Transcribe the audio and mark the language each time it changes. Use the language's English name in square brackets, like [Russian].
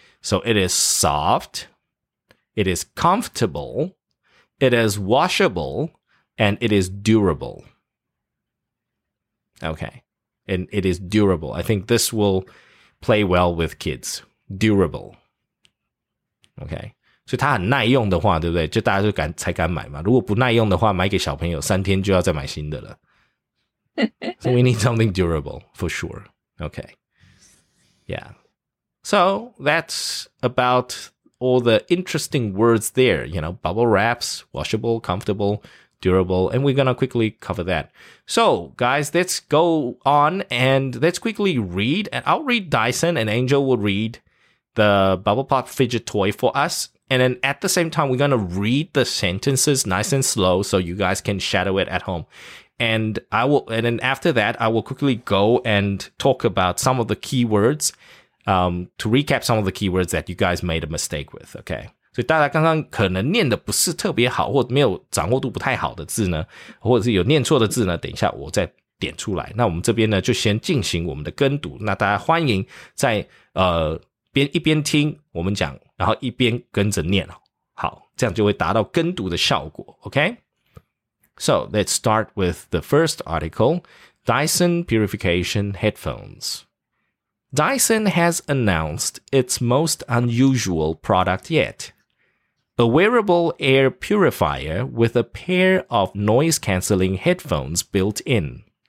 [English] So, it is soft, it is comfortable, it is washable, and it is durable. Okay, and it is durable. I think this will play well with kids. Durable. Okay, [Chinese] 所以它很耐用的话，对不对？就大家就敢才敢买嘛。如果不耐用的话，买给小朋友三天就要再买新的了。 [English] So we need something durable for sure. Okay, yeah. So that's about all the interesting words there. You know, bubble wraps, washable, comfortable. Durable, and we're going to quickly cover that. So, guys, let's go on and let's quickly read. And I'll read Dyson and Angel will read the bubble pop fidget toy for us. And then at the same time, we're going to read the sentences nice and slow so you guys can shadow it at home. And I will. And then after that, I will quickly go and talk about some of the keywords, to recap some of the keywords that you guys made a mistake with, okay? [Chinese] 所以大家刚刚可能念的不是特别好或没有掌握度不太好的字呢或者是有念错的字呢等一下我再点出来。那我们这边呢就先进行我们的跟读。那大家欢迎在一边听我们讲然后一边跟着念。好这样就会达到跟读的效果。 [English] Okay? So, let's start with the first article, Dyson Purification Headphones. Dyson has announced its most unusual product yet. A wearable air purifier with a pair of noise-canceling headphones built in.